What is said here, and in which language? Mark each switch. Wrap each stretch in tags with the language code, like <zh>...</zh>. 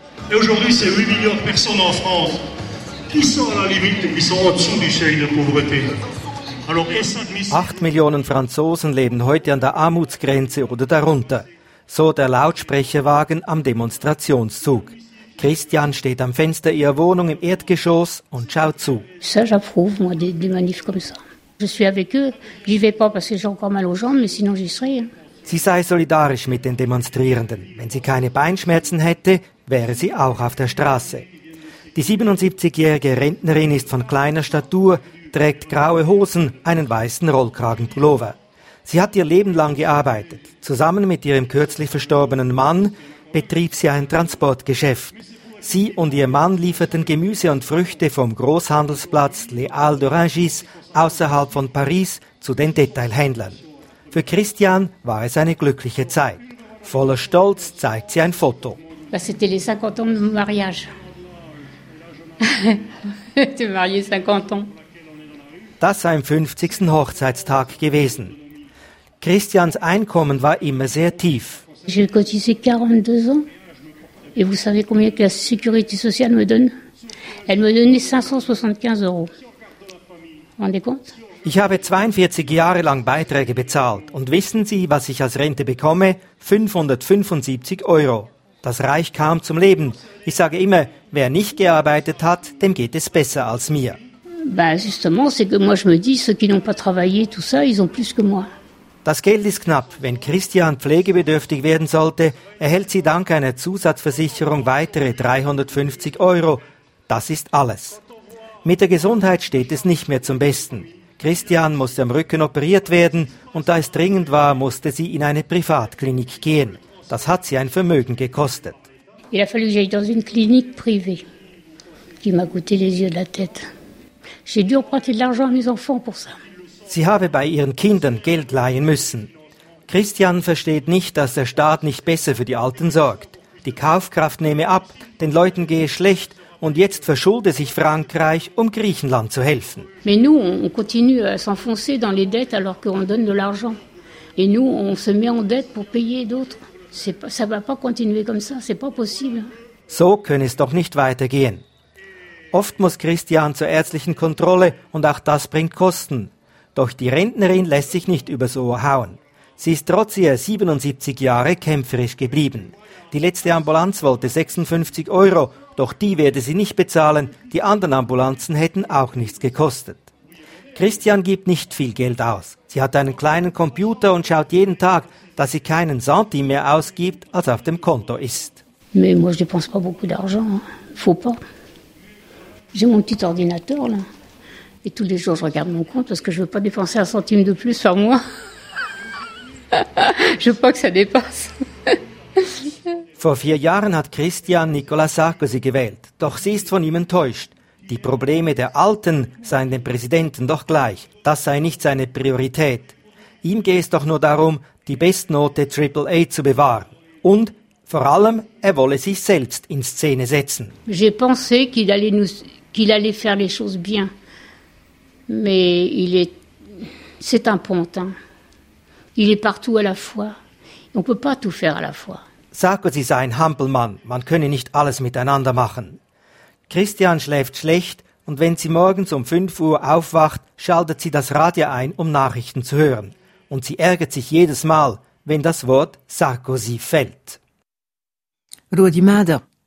<fr>Et aujourd'hui, c'est 8 millions de personnes en France qui sont à la limite, qui sont au-dessous du seuil de pauvreté.</fr> <de>8 Millionen Franzosen leben heute an der Armutsgrenze oder darunter. So der Lautsprecherwagen am Demonstrationszug. Christian steht am Fenster ihrer Wohnung im Erdgeschoss und schaut zu.</de> <fr>Ça, j'approuve, moi, des manifs comme ça. Je suis avec eux. J'y vais pas parce que j'ai encore mal aux jambes, mais sinon j'y serais.</fr> <de>Sie sei solidarisch mit den Demonstrierenden. Wenn sie keine Beinschmerzen hätte, wäre sie auch auf der Straße. Die 77-jährige Rentnerin ist von kleiner Statur, trägt graue Hosen, einen weißen Rollkragenpullover. Sie hat ihr Leben lang gearbeitet. Zusammen mit ihrem kürzlich verstorbenen Mann betrieb sie ein Transportgeschäft. Sie und ihr Mann lieferten Gemüse und Früchte vom Großhandelsplatz Les Halles d'Orangis außerhalb von Paris zu den Detailhändlern. Für Christian war es eine glückliche Zeit. Voller Stolz zeigt sie ein Foto. Das waren die 50 Jahre des Mariages. Du mariest 50 Jahre. Das sei im 50. Hochzeitstag gewesen. Christians Einkommen war immer sehr tief.</de> <fr>J'ai cotisé 42 ans et vous savez combien que la sécurité sociale me donne? Elle me donnait 575 euros. Rendez compte?</fr> <de>Ich habe 42 Jahre lang Beiträge bezahlt und wissen Sie, was ich als Rente bekomme? 575 Euro. Das reicht kaum zum Leben. Ich sage immer, wer nicht gearbeitet hat, dem geht es besser als mir.</de> <fr>Ben justement, c'est que moi je me dis, ceux qui n'ont pas travaillé tout ça, ils ont plus que moi.</fr> <de>Das Geld ist knapp. Wenn Christian pflegebedürftig werden sollte, erhält sie dank einer Zusatzversicherung weitere 350 Euro. Das ist alles. Mit der Gesundheit steht es nicht mehr zum Besten. Christian musste am Rücken operiert werden und da es dringend war, musste sie in eine Privatklinik gehen. Das hat sie ein Vermögen gekostet.</de> <fr>Il a fallu que j'aille dans une clinique privée qui m'a coûté les yeux de la tête. J'ai dû emprunter de l'argent à mes enfants pour ça.</fr> <de>Sie habe bei ihren Kindern Geld leihen müssen. Christian versteht nicht, dass der Staat nicht besser für die Alten sorgt. Die Kaufkraft nehme ab, den Leuten gehe schlecht und jetzt verschulde sich Frankreich, um Griechenland zu helfen.</de> <fr>Mais nous, on continue à s'enfoncer dans les dettes alors qu'on donne de l'argent. Et nous, on se met en dette pour payer d'autres. C'est pas, ça va pas continuer comme ça, c'est pas possible.</fr> <de>So könne es doch nicht weitergehen. Oft muss Christian zur ärztlichen Kontrolle und auch das bringt Kosten. Doch die Rentnerin lässt sich nicht übers Ohr hauen. Sie ist trotz ihrer 77 Jahre kämpferisch geblieben. Die letzte Ambulanz wollte 56 Euro, doch die werde sie nicht bezahlen. Die anderen Ambulanzen hätten auch nichts gekostet. Christian gibt nicht viel Geld aus. Sie hat einen kleinen Computer und schaut jeden Tag, dass sie keinen Centi mehr ausgibt, als auf dem Konto ist.</de> <fr>Mais moi je dépense pas beaucoup d'argent, faut pas. J'ai mon petit ordinateur là et tous les jours je regarde mon compte parce que je veux pas dépenser un centime de plus par mois. Je veux pas que ça dépasse.</fr> <de>Vor 4 Jahren hat Christian Nicolas Sarkozy gewählt, doch sie ist von ihm enttäuscht. Die Probleme der Alten seien dem Präsidenten doch gleich. Das sei nicht seine Priorität. Ihm gehe es doch nur darum, die Bestnote AAA zu bewahren. Und vor allem, er wolle sich selbst in Szene setzen.</de> <fr>J'ai pensé qu'il allait faire les choses bien. Mais c'est un pontin. Il est partout à la fois. On peut pas tout faire à la fois.</fr> <de>Sarkozy sei ein Hampelmann. Man könne nicht alles miteinander machen. Christian schläft schlecht und wenn sie morgens um 5 Uhr aufwacht, schaltet sie das Radio ein, um Nachrichten zu hören. Und sie ärgert sich jedes Mal, wenn das Wort Sarkozy fällt. Rudi Mader.</de>